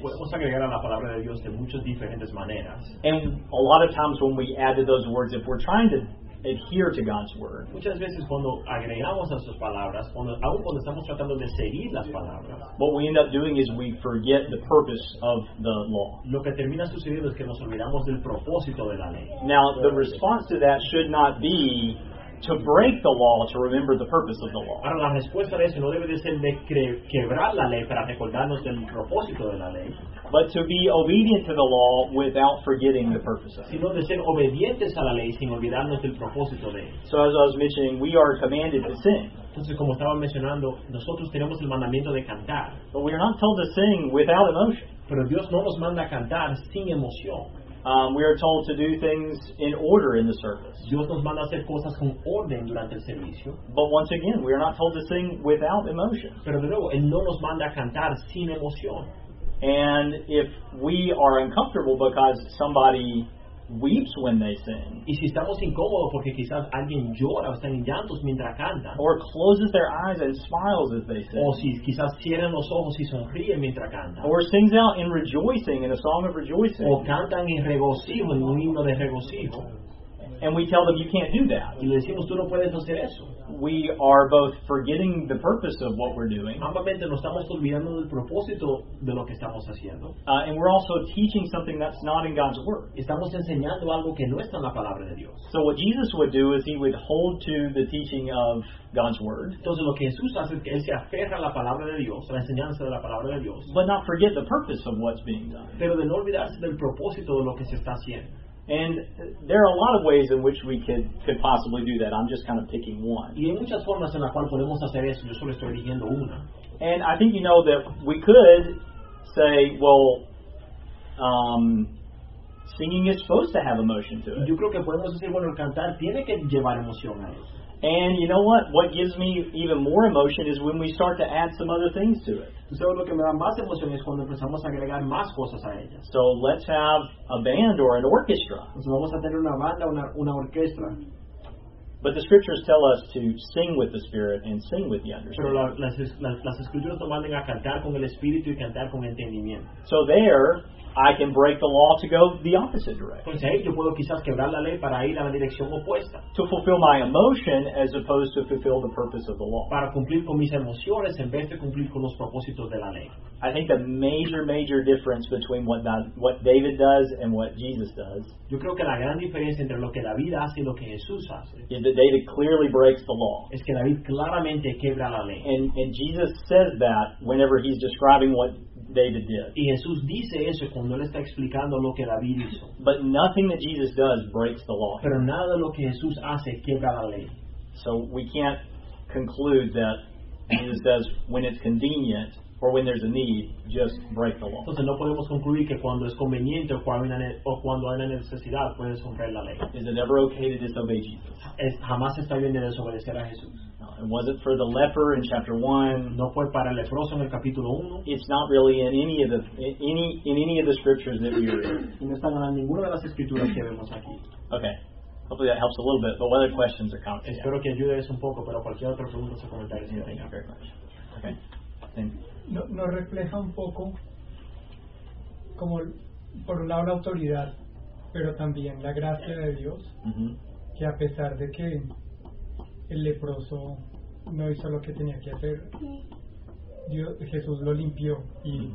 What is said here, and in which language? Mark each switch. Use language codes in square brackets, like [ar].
[es] Podemos agregar a la palabra de Dios de muchas diferentes maneras. [en] And a lot of times when we add to those words, if we're trying to adhere to God's word, [es] muchas veces cuando agregamos a sus palabras, cuando estamos tratando de seguir las palabras, [en] what we end up doing is we forget the purpose of the law. [es] Lo que termina sucediendo es que nos olvidamos del propósito de la ley. [en] Now, the response to that should not be to break the law to remember the purpose of the law. [es] Ahora, la respuesta de eso no debe de ser de quebrar la ley para recordarnos del propósito de la ley. [en] But to be obedient to the law without forgetting the purpose of it. [es] Sino de ser obedientes a la ley sin olvidarnos del propósito de ella. [en] So as I was mentioning, we are commanded to sing. [es] Entonces, como estaba mencionando, nosotros tenemos el mandamiento de cantar. [en] But we are not told to sing without emotion. [es] Pero Dios no nos manda a cantar sin emoción. [en] We are told to do things in order in the service. [es] Dios nos manda hacer cosas con orden durante el servicio. [en] But once again, we are not told to sing without emotion. [es] Pero de nuevo, Él no nos manda a cantar sin emoción. [en] And if we are uncomfortable because somebody weeps when they sing, [es] y si estamos incómodos porque quizás alguien llora o está en llantos mientras canta, [en] or closes their eyes and smiles as they sing, [es] o si quizás cierran los ojos y sonríen mientras canta, [en] or sings out in rejoicing in a song of rejoicing, [es] o cantan en regocijo en un himno de regocijo, [en] and we tell them you can't do that, [es] y le decimos tú no puedes hacer eso, [en] we are both forgetting the purpose of what we're doing. [es] Ambamente nos estamos olvidando del propósito de lo que estamos haciendo. [en] And we're also teaching something that's not in God's word. [es] Estamos enseñando algo que no está en la palabra de Dios. [en] So what Jesus would do is he would hold to the teaching of God's word. [es] Entonces lo que Jesús hace es que él se aferra a la palabra de Dios, a la enseñanza de la palabra de Dios. [en] But not forget the purpose of what's being done. [es] Pero de no olvidarse del propósito de lo que se está haciendo. [en] And there are a lot of ways in which we could possibly do that. I'm just kind of picking one. [es] Y hay muchas formas en las cuales podemos hacer eso. Yo solo estoy eligiendo una. [en] And I think you know that we could say, well, singing is supposed to have emotion to it. [es] Yo creo que podemos decir, bueno, el cantar tiene que llevar emoción a eso. [en] And you know what? What gives me even more emotion is when we start to add some other things to it. [es] So lo que me da más emoción es cuando empezamos a agregar más cosas a ellas. [en] So let's have a band or an orchestra. [es] Entonces vamos a tener una banda, una orquesta. [en] But the scriptures tell us to sing with the spirit and sing with the understanding. [es] Pero las escrituras nos mandan a cantar con el espíritu y cantar con entendimiento. [en] So there, I can break the law to go the opposite direction. [es] Pues ahí yo puedo quizás quebrar la ley para ir a la dirección opuesta. [en] To fulfill my emotion as opposed to fulfill the purpose of the law. [es] Para cumplir con mis emociones en vez de cumplir con los propósitos de la ley. [en] I think the major difference between what David does and what Jesus does. [es] Yo creo que la gran diferencia entre lo que David hace y lo que Jesús hace [en] is that David clearly breaks the law. [es] Es que David claramente quebra la ley. [en] And Jesus says that whenever he's describing what David did. [es] Y Jesús dice eso cuando él está explicando lo que David hizo. [en] But nothing that Jesus does breaks the law. [es] Pero nada de lo que Jesús hace quiebra la ley. [en] So we can't conclude that Jesus does when it's convenient or when there's a need, just break the law. [es] Entonces no podemos concluir que cuando es conveniente o cuando hay una necesidad puedes romper la ley. [en] Is it ever okay to disobey Jesus? [es] Jamás está bien de desobedecer a Jesús. [en] And was it for the leper in chapter 1? [es] No fue para el leproso en el capítulo 1. [en] It's not really in any of the scriptures that we read. [es] No están en ninguna de las escrituras que vemos aquí. [en] Okay. Hopefully that helps a little bit, but what other questions or comments? [es] Espero que ayude eso un poco, pero cualquier otra pregunta o comentario, [en] thank you very much. Okay. Thank you. [es] No refleja un poco como por un lado la autoridad, pero también la gracia de Dios, mm-hmm. que a pesar de que el leproso no hizo lo que tenía que hacer, Dios, Jesús lo limpió y uh-huh.